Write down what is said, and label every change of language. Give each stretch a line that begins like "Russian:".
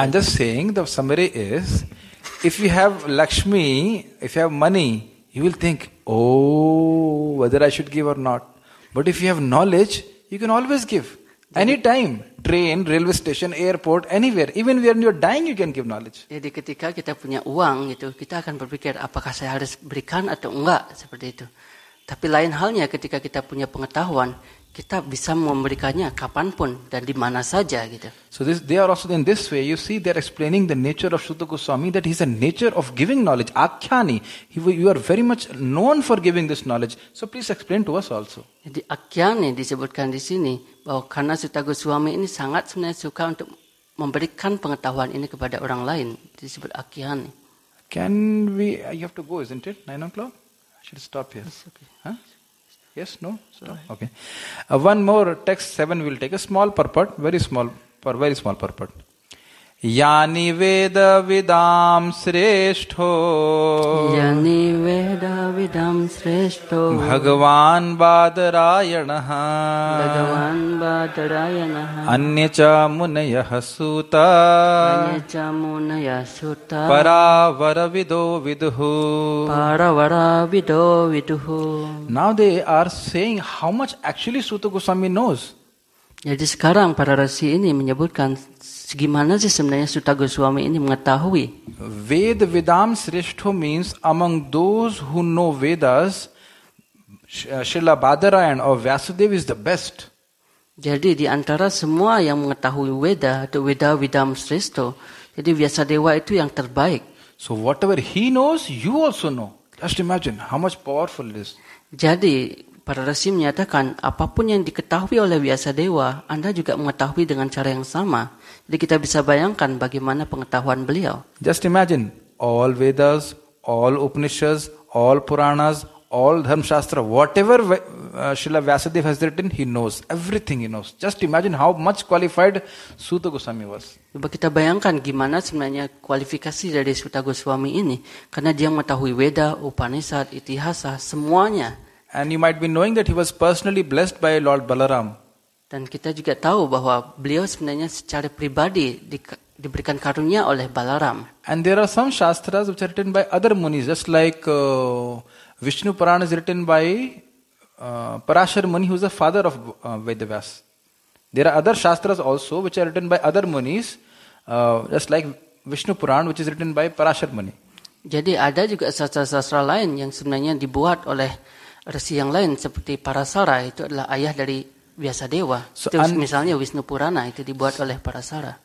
English: I'm just saying the summary is, if you have Lakshmi, if you have money, you will think, oh, whether I should give or not. But if you have knowledge, you can always give. Anytime, train, railway station, airport, anywhere. Even when you're dying, you can give knowledge.
Indonesian: Jadi ketika kita punya uang, itu kita akan berpikir apakah saya harus berikan atau enggak, seperti itu. Tapi lain halnya ketika kita punya pengetahuan, kita bisa memberikannya kapanpun dan di mana saja, gitu.
English: So this, they are also in this way. You see, they are explaining the nature of Shuddha Goswami, that he's a nature of giving knowledge. Akhyani, you are very much known for giving this knowledge. So please explain to us also.
Indonesian: Jadi akhyani disebutkan di sini bahwa karena Shuddha Goswami ini sangat sebenarnya suka untuk memberikan pengetahuan ini kepada orang lain, disebut akhyani.
English: Can we? You have to go, isn't it? 9 o'clock. I should stop here. It's okay. Huh? Yes, no, stop. Okay. One more text 7 will take a small purport, very small purport.
Sanskrit: Yani Veda Vidam Shrestho. Yani Veda Vidam Shrestho. Bhagavan Badarayanah. Bhagavan Badarayanah. Anyacha Munayah Suta. Anyacha Munayah Suta. Paravara Vido Viduhu. Paravara Vido Viduhu.
English: Now they are saying how much actually Suta Goswami knows.
Indonesian: Jadi sekarang para rasi ini menyebutkan Gimana sih sebenarnya Suta Goswami ini mengetahui?
English: Ved Vedam Srishtho means among those who know Vedas, Srila Badarayan or Vyasudev is the best.
Indonesian: Jadi di antara semua yang mengetahui Veda atau Veda Vidam Srishtho, jadi Vyasadeva itu yang terbaik.
English: So whatever he knows, you also know. Just imagine how much powerful it is.
Indonesian: Jadi para resi menyatakan apapun yang diketahui oleh Vyasadeva, Anda juga mengetahui dengan cara yang sama. Jadi kita bisa bayangkan bagaimana pengetahuan beliau.
English: Just imagine all Vedas, all Upanishads, all Puranas, all Dharmashastra, whatever Srila Vyasadeva has written, he knows. Everything he knows. Just imagine how much qualified Suta Goswami was.
Indonesian: Kita bayangkan gimana sebenarnya kualifikasi dari Suta Goswami ini. Karena dia mengetahui Veda, Upanishad, Itihasa, semuanya.
English: And you might be knowing that he was personally blessed by Lord Balaram.
Indonesian: Dan kita juga tahu bahwa beliau sebenarnya secara pribadi diberikan karunia oleh Balaram.
English: And there are some shastras which are written by other munis, just like Vishnu Purana is written by Parashar Muni, who is the father of Vedavyas. There are other shastras also which are written by other munis, just like Vishnu Purana, which is written by Parashar Muni.
Indonesian: Jadi ada juga sastra-sastra lain yang sebenarnya dibuat oleh resi yang lain seperti Parasara, itu adalah ayah dari Vyasadeva. So, misalnya Vishnu Purana itu dibuat oleh Parasara.